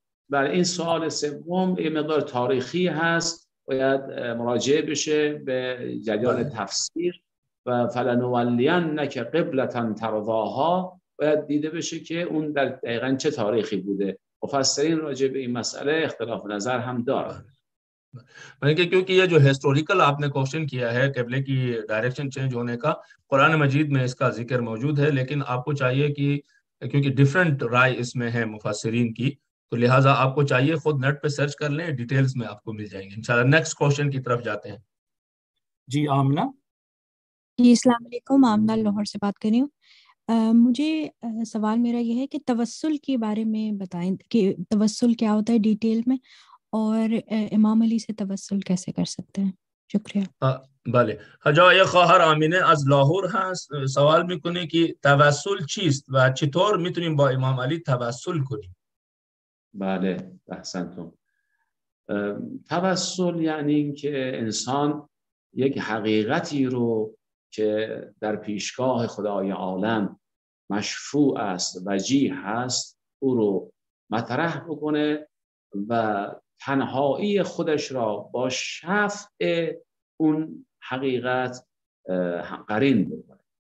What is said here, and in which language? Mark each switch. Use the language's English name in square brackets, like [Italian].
[Persian] بل این سوال سوم یه مقدار تاریخی هست، باید مراجعه بشه به جریان تفسیر و [Arabic] فلنولینک قبلة ترضاها، [Persian] باید دیده بشه که اون در دقیقا چه تاریخی بوده. مفسرین راجع به این مسئله اختلاف نظر هم دارن. [Urdu] میں کہ کیونکہ یہ جو ہسٹوریکل آپ نے کوشچن کیا ہے قبلے کی ڈائریکشن چینج ہونے کا، قرآن مجید میں اس کا ذکر موجود ہے، لیکن آپ کو چاہیے کیونکہ ڈفرینٹ رائے اس میں ہے مفسرین کی، تو لہٰذا آپ کو چاہیے خود نیٹ پہ سرچ کر لیں، ڈیٹیلز میں آپ کو مل جائیں گے. انشاءاللہ نیکسٹ کوشچن کی طرف جاتے ہیں. جی آمنہ. جی السلام علیکم، آمنہ لاہور سے بات کر رہی ہوں. مجھے سوال میرا یہ ہے کہ توسل کے بارے میں بتائیں کہ توسل کیا ہوتا ہے ڈیٹیل میں، اور امام علی سے توسل کیسے کر سکتے ہیں؟ شکریہ. [Persian] بله، حجا یه خواهر امینه از لاهور هست سوال میکنه که توسل چیست و چطور میتونیم با امام علی توسل کنیم؟ بله، احسنتم. توسل یعنی که انسان یک حقیقتی رو که در پیشگاه خدای عالم مشفوع است، وجیه است، او رو مطرح بکنه و تنهایی خودش را با شفع اون حقیقت قرین بکنه.